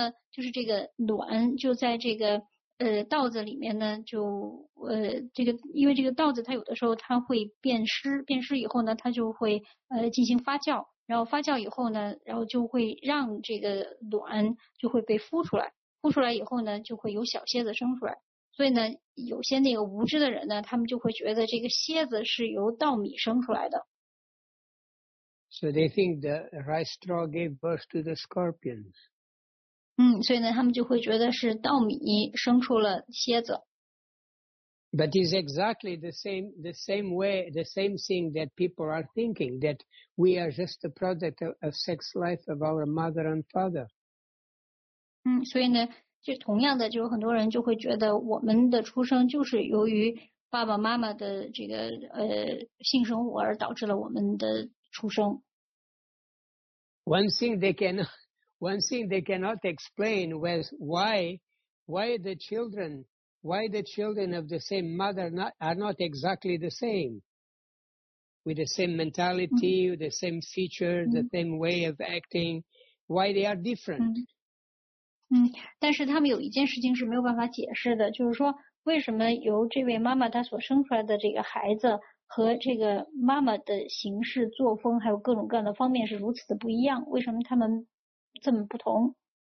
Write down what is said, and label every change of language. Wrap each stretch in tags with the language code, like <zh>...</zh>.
<zh>就是这个卵就在这个稻子里面呢，就这个因为这个稻子它有的时候它会变湿，变湿以后呢，它就会进行发酵，然后发酵以后呢，然后就会让这个卵就会被孵出来，孵出来以后呢，就会有小蝎子生出来。所以呢，有些那个无知的人呢，他们就会觉得这个蝎子是由稻米生出来的。</zh> <en>So they think the rice straw gave birth to the scorpions.</en> <zh>所以呢，他们就会觉得是稻米生出了蝎子。</zh> <en>But it's exactly the same way, the same thing that people are thinking, that we are just the product of sex life of our mother and father.</en> <zh>所以呢，就同样的，就很多人就会觉得我们的出生就是由于爸爸妈妈的这个性生活而导致了我们的出生。</zh> <en>One thing they cannot explain was why the children of the same mother are not exactly the same, with the same mentality, mm-hmm. with the same feature, the mm-hmm. same way of acting, why they are different.</en> <zh>但是他们有一件事情是没有办法解释的，就是说为什么由这位妈妈她所生出来的这个孩子和这个妈妈的行事作风还有各种各样的方面是如此的不一样，为什么他们这么不同。</zh>